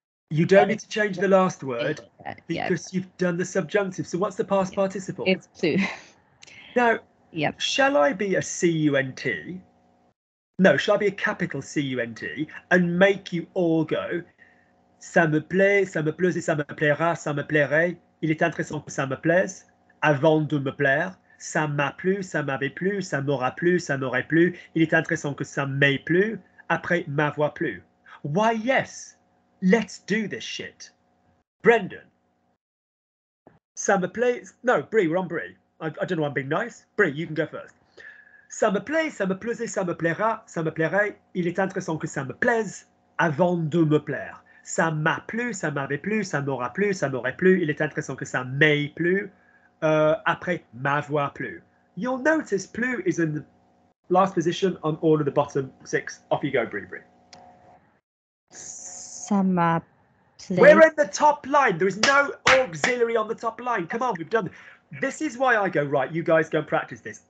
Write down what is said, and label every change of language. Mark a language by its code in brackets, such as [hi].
[en] You don't need to change the last word because you've done the subjunctive. So what's the past participle? It's plus. Now, shall I be a C-U-N-T? No, shall I be a capital C-U-N-T and make you all go... [fr] Ça me plaît, ça me plaise, ça me plaira, ça me plairait. Il est intéressant que ça me plaise. Avant de me plaire, ça m'a plu, ça m'avait plu, ça m'aura plu, ça m'aurait plu. Il est intéressant que ça m'ait plu. Après, m'avoir plu. [en] Why, yes. Let's do this shit. Brendan. [fr] Ça me plaît. [en] No, Brie, we're on Brie. I don't know why I'm being nice. Brie, you can go first. [fr] Ça me plaît, ça me plaise, ça me plaira, ça me plairait. Il est intéressant que ça me plaise. Avant de me plaire. Ça m'a plu, ça m'avait plu, ça m'aura plu, ça m'aurait plu. Il est intéressant que ça m'ait plu. Après, m'avoir plu. [en] You'll notice plu is in the last position on all of the bottom six. Off you go, Brie Brie. [fr] Ça m'a plu. [en] We're in the top line. There is no auxiliary on the top line. Come on, we've done this. This is why I go, right, you guys go and practice this.